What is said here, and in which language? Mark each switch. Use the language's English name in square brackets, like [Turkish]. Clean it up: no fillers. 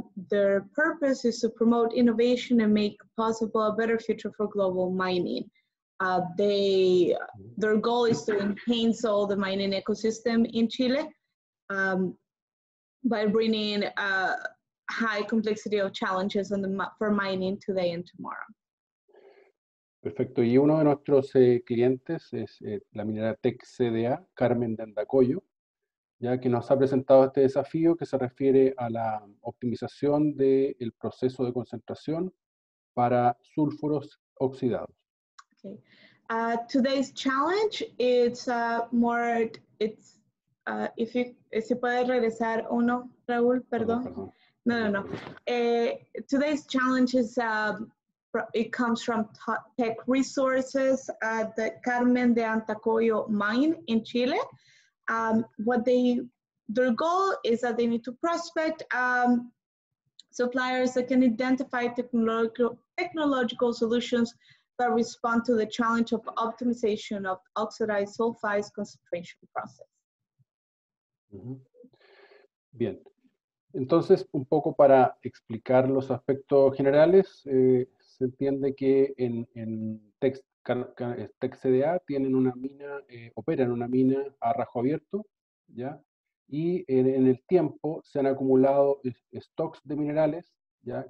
[English] Their purpose is to promote innovation and make possible a better future for global mining. Their goal is to enhance all the mining ecosystem in Chile by bringing high complexity of challenges for mining today and tomorrow. [Spanish] Perfecto. Y uno de nuestros clientes es la minera Tech CDA, Carmen de Andacollo, ya que nos ha presentado este desafío que se refiere a la optimización del proceso de concentración para sulfuros oxidados. [English] Okay. Today's challenge is more, it's if you, [Spanish] ¿se puede regresar uno, Raúl, perdón? No. [English] Today's challenge is, it comes from tech resources at the Carmen de Antacoyo mine in Chile. Their goal is that they need to prospect suppliers that can identify technological solutions that respond to the challenge of optimization of oxidized sulfides concentration process. [Spanish] Bien. Entonces, un poco para explicar los aspectos generales, se entiende que en TECCDA tienen una mina, operan una mina a rajo abierto, ¿ya? Y en el tiempo se han acumulado stocks de minerales, ¿ya?